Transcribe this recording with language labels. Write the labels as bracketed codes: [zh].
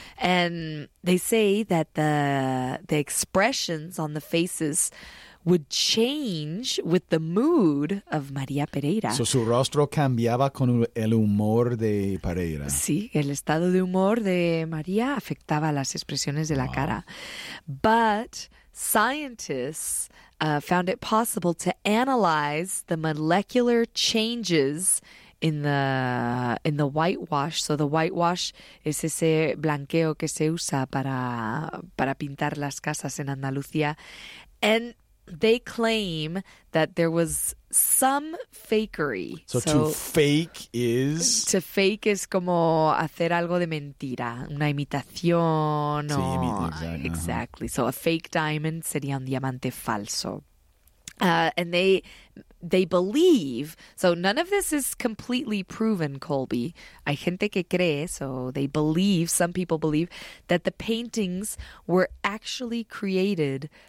[en] And they say that the expressions on the faces would change with the mood of María Pereira. [es] So su rostro cambiaba con el humor de Pereira. Sí, el estado de humor de María afectaba las expresiones de la cara. [en] But scientists found it possible to analyze the molecular changes in the whitewash. [es] So the whitewash es ese blanqueo que se usa para pintar las casas en Andalucía. [en] And they claim that there was some fakery. So to fake is? [es] To fake is como hacer algo de mentira, una imitación. Sí, exactly. So a fake diamond sería un diamante falso. [en] And they believe, so none of this is completely proven, Colby. Hay gente que cree, so they believe, some people believe, that the paintings were actually created